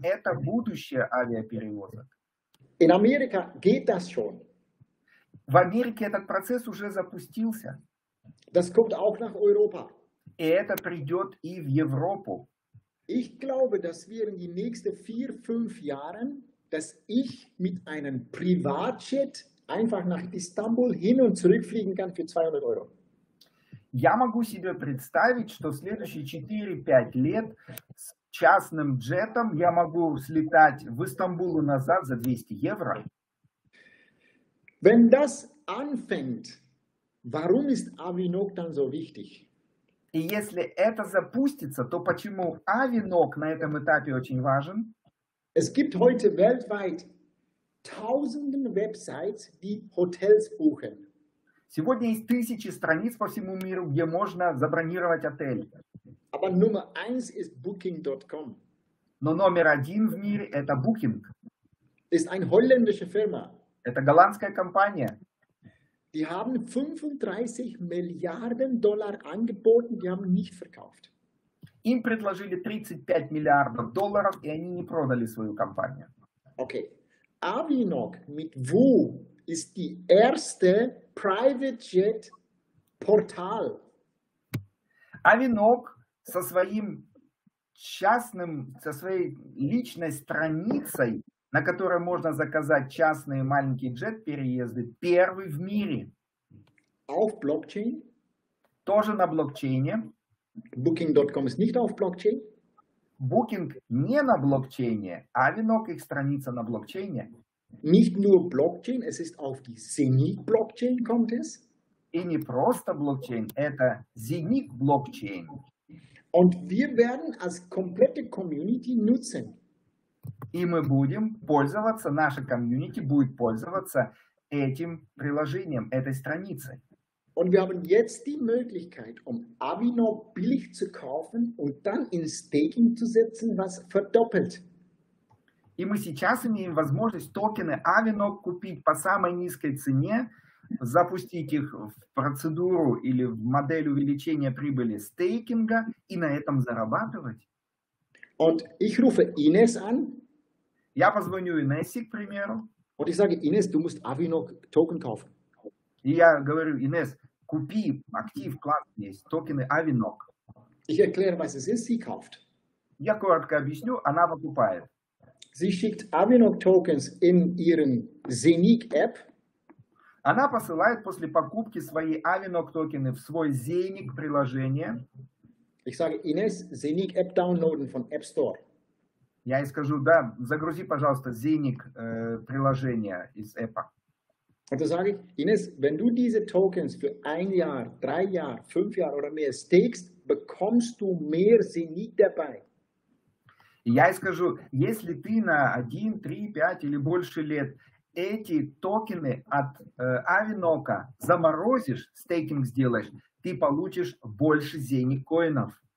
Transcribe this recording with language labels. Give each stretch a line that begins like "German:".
Russian: Это будущее авиаперевозок.
German: In America geht das schon.
Russian: В Америке этот процесс уже запустился.
German: Das kommt auch nach Europa.
Russian: И это придет и в Европу.
German: Ich glaube, dass wir in die nächsten 4-5 Jahren dass ich mit einem Privatjet einfach nach Istanbul hin und zurück fliegen kann für 200 Euro.
Russian: Я могу себе представить, что следующие 4-5 лет с частным джетом я могу слетать в Истамбул и назад за 200 евро.
German: Wenn das anfängt, warum ist Avinok dann so wichtig?
Russian: И если это запустится, то почему Avinok на этом этапе очень важен?
German: Es gibt heute weltweit tausenden Websites, die Hotels buchen.
Russian: Сегодня есть тысячи страниц по всему миру, где можно забронировать отель.
German: Aber Nummer eins ist booking.com.
Russian: Но номер один в мире – это Booking.
German: Ist eine holländische Firma.
Russian: Это голландская компания.
German: Die haben 35 Milliarden Dollar angeboten, die haben nicht verkauft.
Russian: Им предложили 35 миллиардов долларов, и они не продали свою компанию. Okay.
German: Avinok mit Woo ist die erste private jet portal.
Russian: Avinok со своим частным, со своей личной страницей, на которой можно заказать частные маленькие джет переезды, первый в мире.
German: Auf Blockchain?
Russian: Тоже на блокчейне.
German: Booking.com ist nicht auf Blockchain?
Russian: Booking не на блокчейне, а Avinok их страница на блокчейне.
German: Nicht nur Blockchain, es ist auf die Zenith Blockchain kommt es.
Russian: И не просто блокчейн, это Zenith Blockchain.
German: Und wir werden als komplette Community nutzen.
Russian: И мы будем пользоваться, наша комьюнити будет пользоваться этим приложением, этой страницей.
German: Und wir haben jetzt die Möglichkeit, um Avinok billig zu kaufen und dann in Staking zu setzen, was verdoppelt.
Russian: И мы сейчас имеем возможность токены Avinok купить по самой низкой цене, запустить их в процедуру или в модель увеличения прибыли стейкинга и на этом зарабатывать.
German: Und ich rufe Ines an.
Russian: Я позвоню Инессе, к примеру.
German: Und ich sage, Ines, du musst Avinok Token kaufen.
Russian: И я говорю, Инес, купи актив, классный есть, токены Avinok.
German: Ich erkläre, was es ist, sie kauft.
Russian: Я коротко объясню, она покупает.
German: Sie schickt Avinok Tokens in ihren Zenith App.
Russian: Она посылает после покупки свои Avinok токены в свой Zenith приложение.
German: Ich sage, Ines, Zenith App downloaden von App Store.
Russian: Я ей скажу, да, загрузи, пожалуйста, Zenith приложение из App.
German: Und dann sage ich, Ines, wenn du diese Tokens für ein Jahr, drei Jahre, fünf Jahre oder mehr stakest, bekommst du mehr Zenith dabei.
Russian: Я ей скажу, если ты на 1, 3, 5 или больше лет эти токены от Avinok заморозишь, стейкинг сделаешь, ты получишь больше Zenith коинов.